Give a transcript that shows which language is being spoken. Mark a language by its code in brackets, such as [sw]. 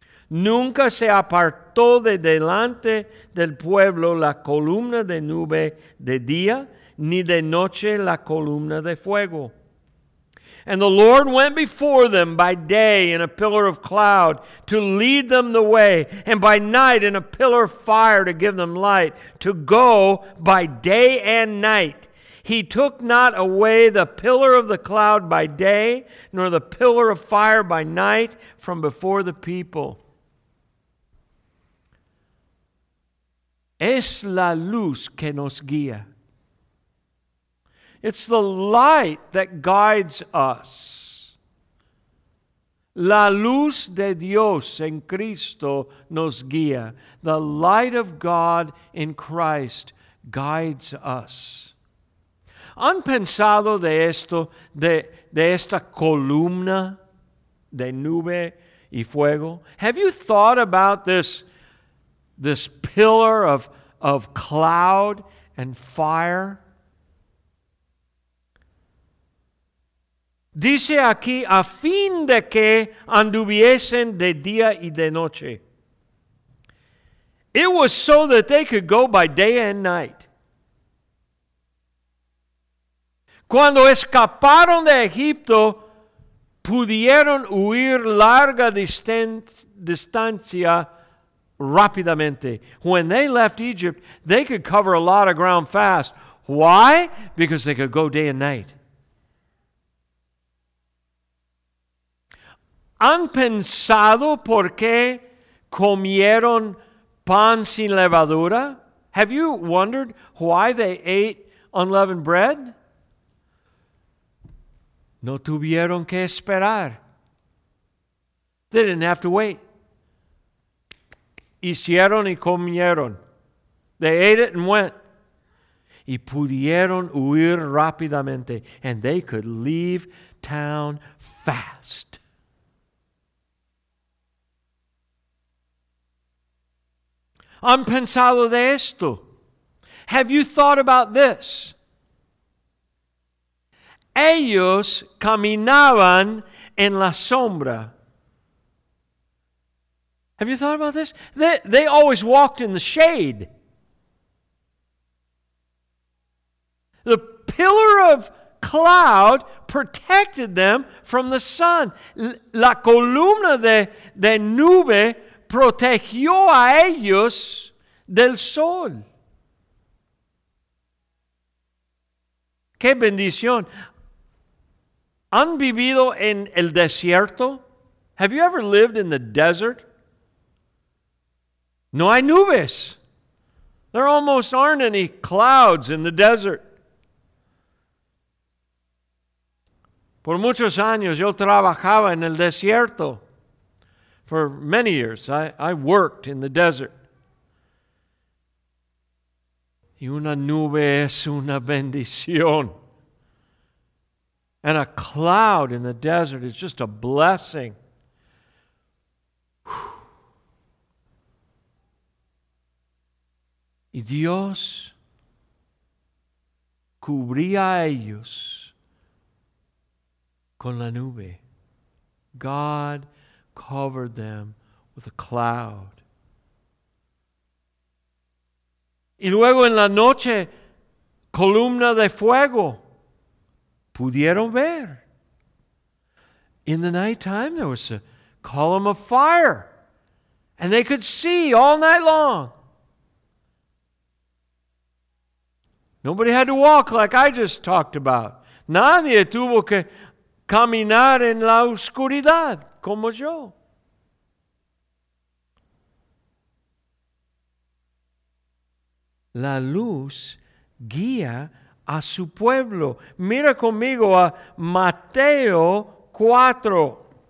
[es] Nunca se apartó de delante del pueblo la columna de nube de día, ni de noche la columna de fuego. [en] And the Lord went before them by day in a pillar of cloud to lead them the way, and by night in a pillar of fire to give them light, to go by day and night. He took not away the pillar of the cloud by day, nor the pillar of fire by night from before the people. [es] Es la luz que nos guía. [en] It's the light that guides us. [es] La luz de Dios en Cristo nos guía. [en] The light of God in Christ guides us. [es] ¿Han pensado de esto, de esta columna de nube y fuego? [en] Have you thought about this pillar of cloud and fire? [es] Dice aquí, a fin de que anduviesen de día y de noche. [en] It was so that they could go by day and night. [es] Cuando escaparon de Egipto, pudieron huir larga distancia rápidamente. [en] When they left Egypt, they could cover a lot of ground fast. Why? Because they could go day and night. [es] ¿Han pensado por qué comieron pan sin levadura? [en] Have you wondered why they ate unleavened bread? [es] No tuvieron que esperar. [en] They didn't have to wait. [es] Hicieron y comieron. [en] They ate it and went. [es] Y pudieron huir rápidamente. [en] And they could leave town fast. [es] ¿Han pensado de esto? [en] Have you thought about this? [es] Ellos caminaban en la sombra. [en] Have you thought about this? They always walked in the shade. The pillar of cloud protected them from the sun. [es] La columna de nube protegió a ellos del sol. ¡Qué bendición! ¿Han vivido en el desierto? [en] Have you ever lived in the desert? [es] No hay nubes. [en] There almost aren't any clouds in the desert. [es] Por muchos años yo trabajaba en el desierto. [en] For many years, I worked in the desert. [es] Y una nube es una bendición. [en] And a cloud in the desert is just a blessing. [es] Y Dios cubría a ellos con la nube. [en] God covered them with a cloud. [es] Y luego en la noche, columna de fuego. Pudieron ver. [en] In the nighttime, there was a column of fire. And they could see all night long. Nobody had to walk like I just talked about. [es] Nadie tuvo que caminar en la oscuridad como yo. La luz guía a su pueblo. Mira conmigo a Mateo 4.